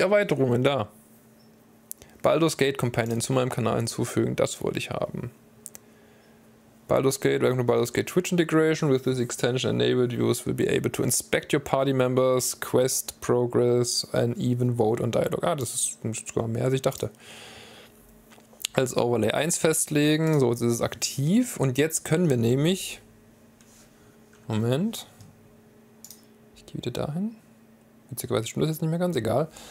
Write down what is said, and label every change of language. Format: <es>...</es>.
<de>Erweiterungen da. Baldur's Gate Companion zu meinem Kanal hinzufügen, das wollte ich haben.</de> <en>Baldur's Gate, welcome to Baldur's Gate Twitch integration. With this extension enabled, viewers will be able to inspect your party members, quest progress and even vote on dialogue.</en> <de>Ah, das ist sogar mehr, als ich dachte. Als Overlay 1 festlegen, so jetzt ist es aktiv und jetzt können wir nämlich, Moment, ich gehe wieder dahin, witzigerweise stimmt das jetzt nicht mehr ganz, egal.</de>